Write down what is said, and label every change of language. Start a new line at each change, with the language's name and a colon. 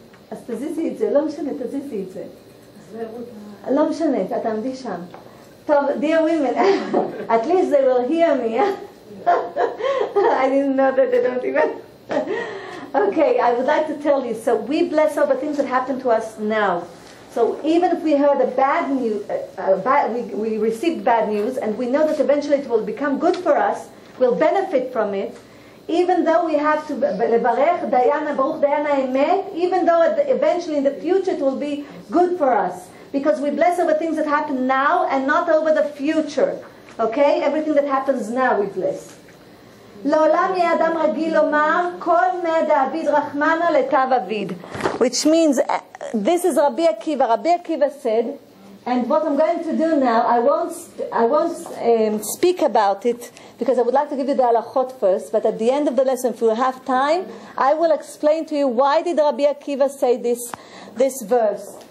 Hebrew: אז תזיזי את זה, לא משנה, תזיזי את זה. לא משנה, את תעמדי שם.
English: טוב, dear women, at least they will hear me. I didn't know that they don't even... Okay, I would like to tell you, so we bless over things that happen to us now. So even if we heard a bad news, we received bad news, and we know that eventually it will become good for us, we'll benefit from it, even though we have to
Hebrew: לברך דיינה, ברוך דיינה אמת,
English: even though eventually in the future it will be good for us. Because we bless over things that happen now and not over the future. Okay? Everything that happens now we bless.
Hebrew: לעולם יהיה אדם רגיל לומר כל מה דאביד רחמנה לתו אביד.
English: Which means, this is Rabbi Akiva. Rabbi Akiva said, and what I'm going to do now, I won't speak about it, because I would like to give you the halachot first, but at the end of the lesson, if we have time, I will explain to you why did Rabbi Akiva say this verse.